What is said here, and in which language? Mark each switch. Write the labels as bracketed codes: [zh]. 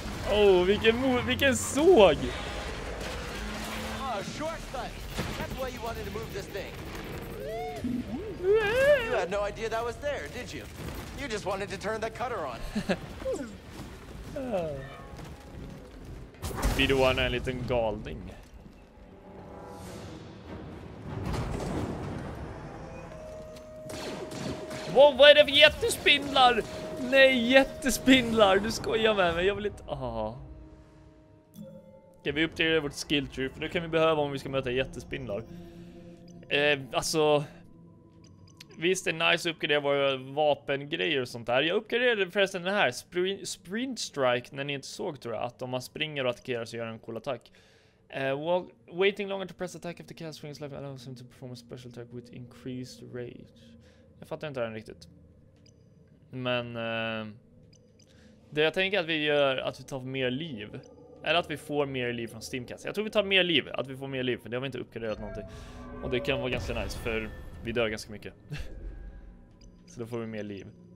[sv] Oh, vilken såg. [en] Shortcut. That's why you wanted to move this thing. You had no idea that was there, did you? You just wanted to turn that cutter on. [sv] Bidoan är en liten galning. Wow, vad är det för jättespindlar? Nej, jättespindlar. Du skojar med mig. Jag vill inte... Aha. Kan vi uppdatera vårt skill tree? För nu kan vi behöva om vi ska möta jättespindlar. Alltså... Visst, det är nice att uppgradera våra vapengrejer och sånt där. Jag uppgraderade förresten den här. Sprint strike, när ni inte såg, tror jag. Att om man springer och attackerar så gör en cool attack. [en] Waiting longer to press attack after cast swings left allows him to perform a special attack with increased rage. [sv] Jag fattar inte den riktigt. Men... det jag tänker att vi gör att vi tar mer liv. Eller att vi får mer liv från Steamcast. Jag tror vi tar mer liv. Att vi får mer liv. För det har vi inte uppgraderat någonting. Och det kan vara ganska nice. För vi dör ganska mycket. Så då får vi mer liv.